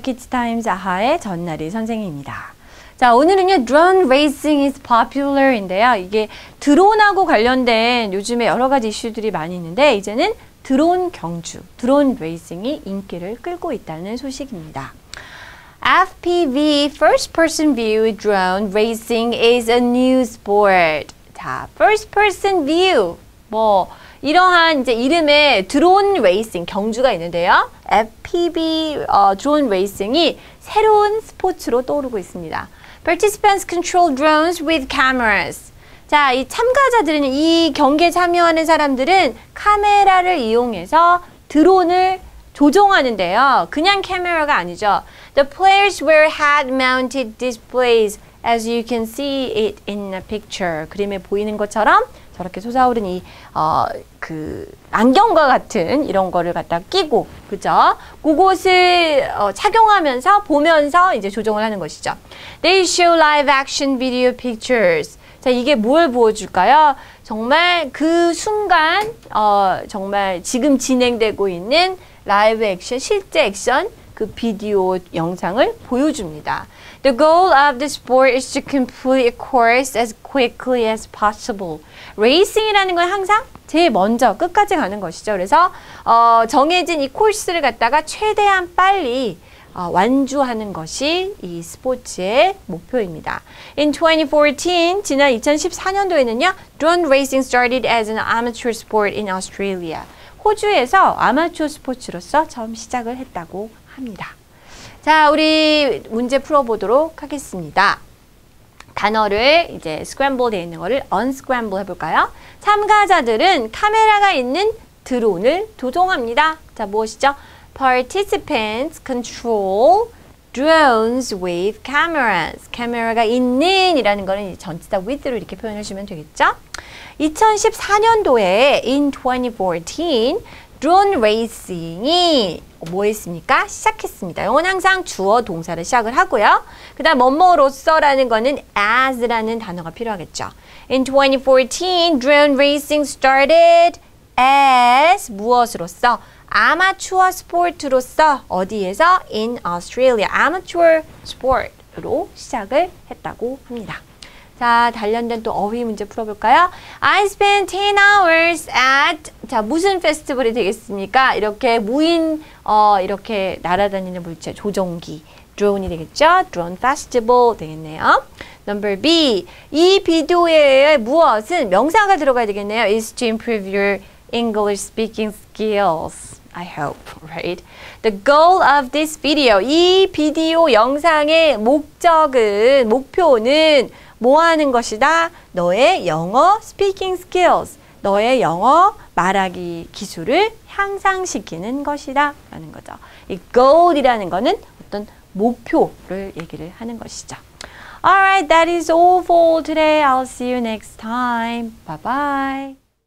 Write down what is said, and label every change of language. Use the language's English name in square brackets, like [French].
[Korean] Kids Times 아하의 전나리 선생님입니다. 자, 오늘은요. [English] Drone racing is popular인데요. [Korean] 이게 드론하고 관련된 요즘에 여러 가지 이슈들이 많이 있는데 이제는 드론 경주, 드론 레이싱이 인기를 끌고 있다는 소식입니다. [English] FPV, First Person View Drone Racing is a new sport. [Korean] 자, First Person View, 뭐 이러한 이제 이름의 드론 레이싱, 경주가 있는데요. FPV 드론 레이싱이 새로운 스포츠로 떠오르고 있습니다. [English] Participants control drones with cameras. [Korean] 자, 이 참가자들은 이 경기에 참여하는 사람들은 카메라를 이용해서 드론을 조종하는데요. 그냥 카메라가 아니죠. [English] The players wear head-mounted displays, as you can see it in the picture. [Korean] 그림에 보이는 것처럼 저렇게 솟아오른 이 그 안경과 같은 이런 거를 갖다 끼고, 그죠? 그곳을 착용하면서 보면서 이제 조종을 하는 것이죠. [English] They show live-action video pictures. [Korean] 자, 이게 뭘 보여줄까요? 정말 그 순간 정말 지금 진행되고 있는 라이브 액션, 실제 액션 그 비디오 영상을 보여줍니다. [English] The goal of the sport is to complete a course as quickly as possible. [Korean] Racing이라는 건 항상 제일 먼저 끝까지 가는 것이죠. 그래서 정해진 이 코스를 갖다가 최대한 빨리 완주하는 것이 이 스포츠의 목표입니다. [English] In 2014, [Korean] 지난 2014년도에는요, [English] drone racing started as an amateur sport in Australia. [Korean] 호주에서 아마추어 스포츠로서 처음 시작을 했다고 합니다. 자, 우리 문제 풀어보도록 하겠습니다. 단어를 이제 scramble 되어 있는 거를 unscramble 해볼까요? 참가자들은 카메라가 있는 드론을 조종합니다. 자, 무엇이죠? [English] Participants control drones with cameras. [Korean] 카메라가 있는 이라는 거는 전치다 with로 이렇게 표현하시면 되겠죠. 2014년도에 [English] in 2014 drone racing [Korean] 이 뭐 했습니까? 시작했습니다. 이건 항상 주어 동사를 시작을 하고요. 그 다음 뭐뭐로서 라는 거는 as라는 단어가 필요하겠죠. [English] In 2014 drone racing started as [Korean] 무엇으로서? 아마추어 스포츠로서 어디에서? [English] In Australia. [Korean] Amateur sport로 시작을 했다고 합니다. 자, 단련된 또 어휘 문제 풀어볼까요? [English] I spent 10 hours at [Korean] 자, 무슨 페스티벌이 되겠습니까? 이렇게 무인 이렇게 날아다니는 물체, 조종기 드론이 되겠죠? [English] Drone festival [Korean] 되겠네요. [English] Number B. [Korean] 이 비디오에 무엇은 명사가 들어가야 되겠네요. [English] Is to improve your English speaking skills. I hope, right? The goal of this video. [Korean] 이 비디오 영상의 목적은, 목표는 뭐 하는 것이다? 너의 영어 speaking skills. 너의 영어 말하기 기술을 향상시키는 것이다. 라는 거죠. 이 goal이라는 거는 어떤 목표를 얘기를 하는 것이죠. [English] Alright, that is all for today. I'll see you next time. Bye-bye.